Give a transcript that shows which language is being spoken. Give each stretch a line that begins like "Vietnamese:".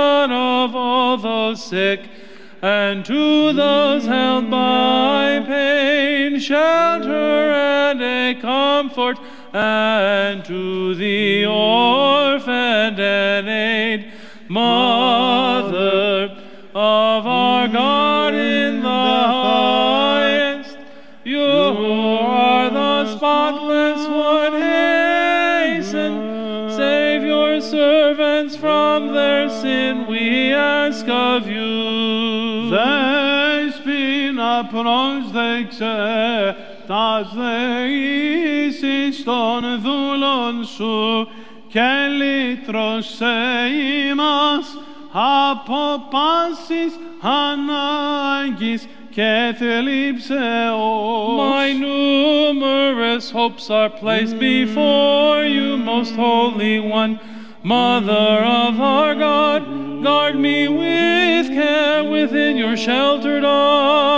English: of all those sick, and to those held by pain, shelter and a comfort, and to the orphan and aid, Mother of our God in the highest, you who are the spotless one, hasten, save your servants from their sin, we ask of you.
Greek: Θες πίν απρόσδεξε τας δεήσεις των δούλων σου και λύτρωσε ημάς από πάσης ανάγκης και θλίψεως.
English: My numerous hopes are placed before you, most holy one, Mother of our God, guard me with care within your sheltered arms.